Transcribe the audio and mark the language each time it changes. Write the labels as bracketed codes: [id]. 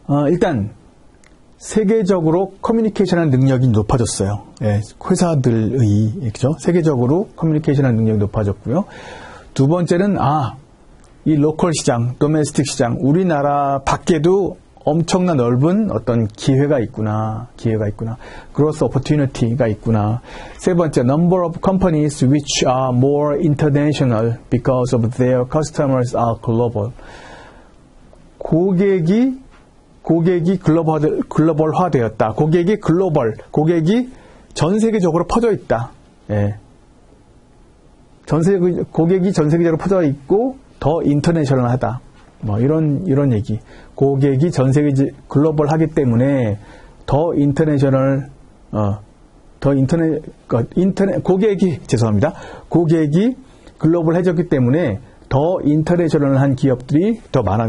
[ko] 일단 세계적으로 커뮤니케이션하는 능력이 높아졌어요. 예, 회사들의, 그죠? 세계적으로 커뮤니케이션하는 능력이 높아졌고요. 두 번째는, 이 로컬 시장, 도메스틱 시장, 우리나라 밖에도 엄청나 넓은 어떤 기회가 있구나. Growth opportunity가 있구나. 세 번째, [en] number of companies which are more international because of their customers are global. [ko] 고객이 글로벌화 되었다. 고객이 글로벌. 고객이 전 세계적으로 퍼져 있다. 예. 고객이 전 세계적으로 퍼져 있고 더 인터내셔널하다. 뭐 이런 얘기. 고객이 전 세계 글로벌하기 때문에 고객이 글로벌해졌기 때문에 더 인터내셔널한 기업들이 더 많아.